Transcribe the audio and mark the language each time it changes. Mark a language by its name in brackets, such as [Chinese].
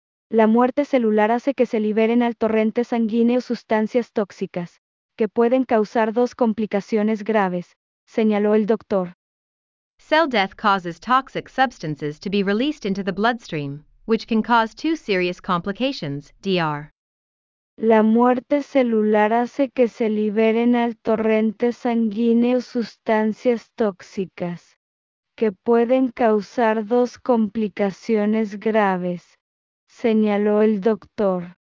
[Spanish] La muerte celular hace que se liberen al torrente sanguíneo sustancias tóxicas, que pueden causar dos complicaciones graves, señaló el doctor. [English] Cell death causes toxic substances to be released into the bloodstream, which can cause two serious complications, DR. [Spanish] La muerte celular hace que se liberen al torrente sanguíneo sustancias tóxicas, que pueden causar dos complicaciones graves, señaló el doctor.